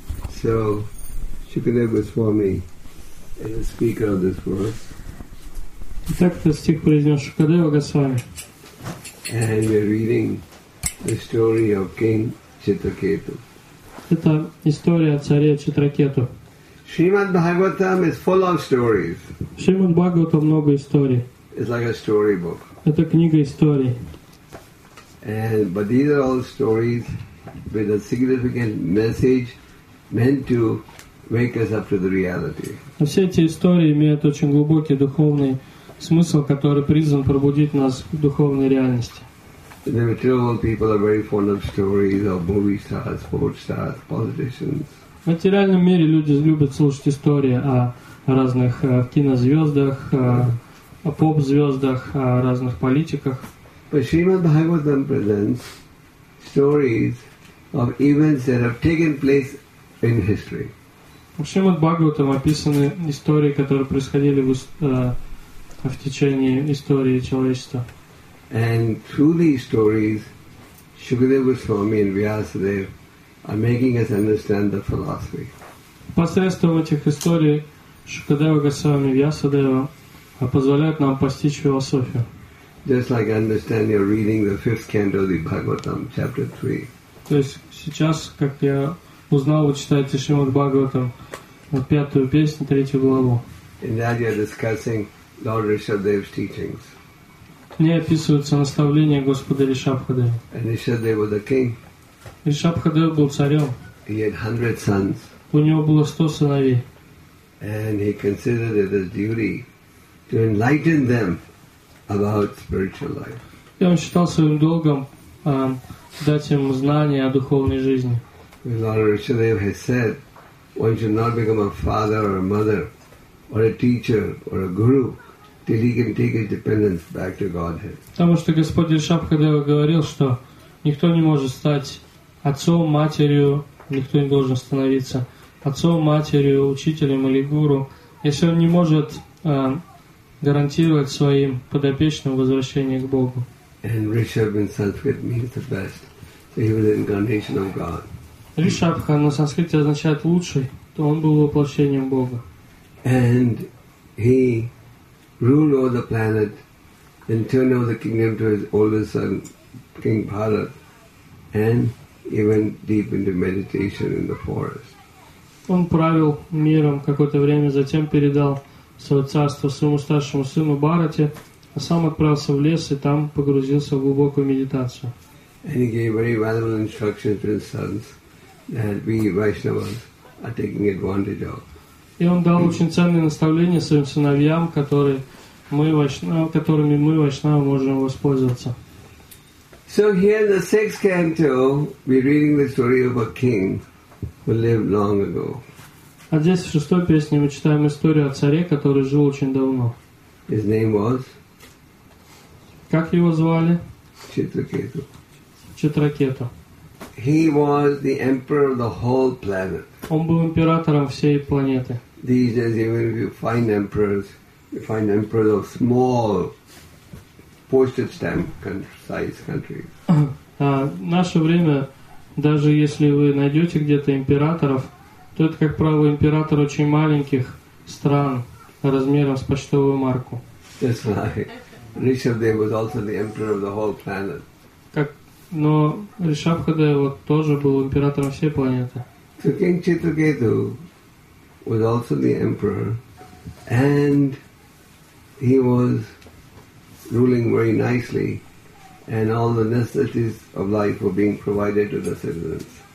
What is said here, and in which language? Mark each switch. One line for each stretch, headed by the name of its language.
English: So, Shukadeva Goswami is the speaker of this verse.
Russian: Итак, этот стих произнес Шукадева Госвами.
English: And we're reading the story of King Chitraketu.
Russian: Это история царя Читракету.
English: Shrimad Bhagavatam is full of stories.
Russian: Shrimad Bhagavatam много историй.
English: It's like a storybook.
Russian: Это книга историй.
English: And but these are all stories with a significant message, meant to wake us up to the reality.
Russian: Все эти истории имеют очень глубокий духовный смысл, который призван пробудить нас к духовной реальности.
English: The material people are very fond of stories of movie stars, sports stars, politicians.
Russian: В материальном мире люди любят слушать истории о разных кинозвездах, о поп-звездах, о разных политиках.
English: But Srimad Bhagavatam presents stories of events that have taken place in history.
Russian: В Шримад Бхагаватам описаны истории, которые происходили в течение истории человечества.
English: And through these stories, Shukadeva Goswami and Vyasadeva are making us understand the philosophy.
Russian: Посредством этих историй Шукадева Госвами и Вьясадева позволяют нам постичь философию.
English: Just like I understand you're reading the fifth canto of the Bhagavatam, chapter 3.
Russian: То есть сейчас, как я узнал, вы читаете Шримад Бхагаватам, пятую песню, третью главу.
English: In that you're discussing Lord Rishabhadev's teachings.
Russian: не описываются наставления Господа Ришабхадевы.
English: And Ришабхадева was the king.
Russian: Ришабхадева был царем.
English: He had 100 sons.
Russian: У него было 100 сыновей.
English: And he considered it his duty to enlighten them about spiritual life.
Russian: И он считал своим долгом дать им знания о духовной жизни.
English: Lord Ришабхадева has said, one should not become a father or a mother or a teacher or a guru till he can take his dependence back to Godhead.
Russian: Потому что Господь Ришабхадева говорил, что никто не может стать отцом, матерью, никто не должен становиться отцом, матерью, учителем или гуру, если он не может гарантировать своим подопечным возвращение к Богу.
English: And Rishabh in Sanskrit means the best. So he was the incarnation of God.
Russian: Ришабха на санскрите означает лучший, то он был воплощением Бога.
English: And he ruled over the planet and turned over the kingdom to his oldest son, King Bharat, and he went deep into meditation in the forest.
Russian: Он правил миром какое-то время, затем передал свое царство своему старшему сыну Бхарате, а сам отправился в лес и там погрузился в глубокую медитацию.
English: And he gave very valuable instructions to his sons that we Vaishnavas are taking advantage of.
Russian: И он дал очень ценные наставления своим сыновьям, которыми мы Вайшнавы можем воспользоваться.
English: So here in the sixth canto, we're reading the story of a king who lived long ago.
Russian: А здесь в шестой песне мы читаем историю о царе, который жил очень давно.
English: His name was.
Russian: Как его звали? Читракету. Читракету.
English: He was the emperor of the whole planet.
Russian: Он был императором всей планеты.
English: These days, even if you find emperors, you find emperors of small postage stamp size countries.
Russian: Наше время, даже если вы найдете где-то императоров, то это, как правило, император очень маленьких стран размером с почтовую марку.
English: That's right. Ришабхадева was also the emperor of the whole planet.
Russian: Но Ришабхадева тоже был императором всей планеты.
English: So King Chitraketu was also the emperor, and he was ruling very nicely, and all the necessities of life were being provided to the citizens.